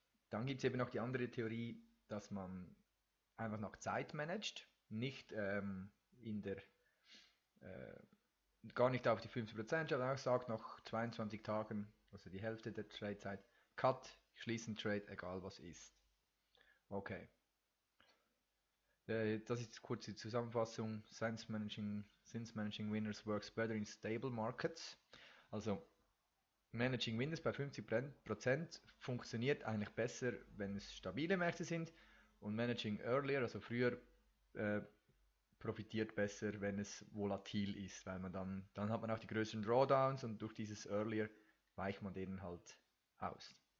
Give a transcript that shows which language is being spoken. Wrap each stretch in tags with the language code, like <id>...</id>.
<de>Dann gibt es eben noch die andere Theorie, dass man einfach noch Zeit managt, nicht gar nicht auf die 50%, sondern auch sagt, nach 22 Tagen, also die Hälfte der Tradezeit, Cut, schließen Trade, egal was ist. Okay. Das ist kurz die Zusammenfassung.</de> <en>Since Managing Winners works better in stable markets.</en> <de>Also, Managing Winners bei 50% funktioniert eigentlich besser, wenn es stabile Märkte sind. Und Managing Earlier, also früher, profitiert besser, wenn es volatil ist, weil man dann hat man auch die größeren Drawdowns und durch dieses Earlier weicht man denen halt aus.</de>